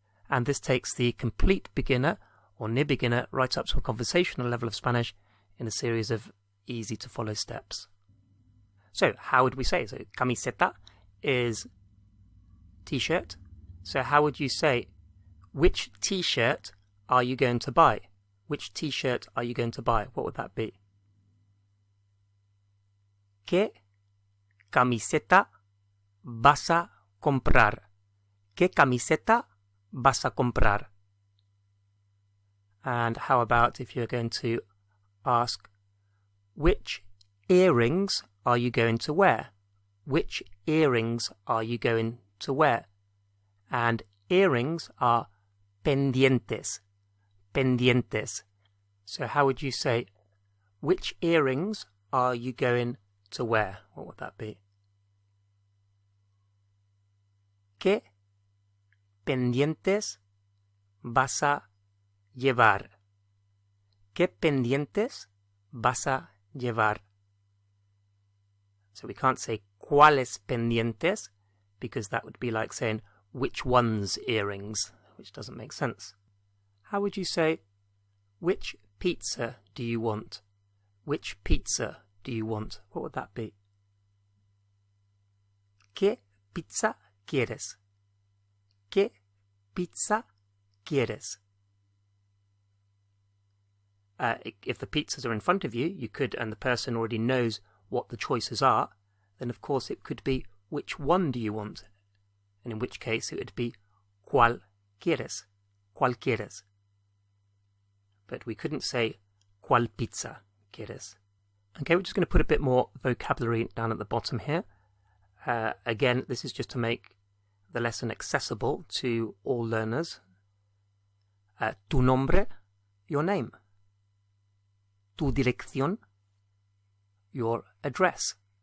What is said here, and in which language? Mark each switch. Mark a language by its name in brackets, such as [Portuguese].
[English] And this takes the complete beginner or near beginner right up to a conversational level of Spanish in a series of easy to follow steps. So how would we say? So camiseta is t-shirt. So how would you say, which t-shirt are you going to buy? Which t-shirt are you going to buy? What would that be? [Spanish] ¿Qué camiseta vas a comprar? ¿Qué camiseta vas a comprar? [English] And how about if you're going to ask, which earrings are you going to wear? Which earrings are you going to wear? And earrings are pendientes, pendientes. So how would you say, which earrings are you going to wear? What would that be? [Spanish] ¿Qué pendientes vas a llevar? ¿Qué pendientes vas a llevar? [English] So we can't say [Spanish] ¿cuáles pendientes? [English] Because that would be like saying, which one's earrings, which doesn't make sense. How would you say, which pizza do you want? Which pizza do you want? What would that be? [Spanish] ¿Qué pizza quieres? ¿Qué pizza quieres? [English] If the pizzas are in front of you, you could, and the person already knows what the choices are, then of course it could be, which one do you want? And in which case it would be [Spanish] ¿cuál quieres? ¿Cuál quieres? [English] But we couldn't say [Spanish] ¿cuál pizza? quieres? [English] Okay, we're just going to put a bit more vocabulary down at the bottom here. Again, this is just to make the lesson accessible to all learners. Tu nombre, your name. Tu dirección, your address.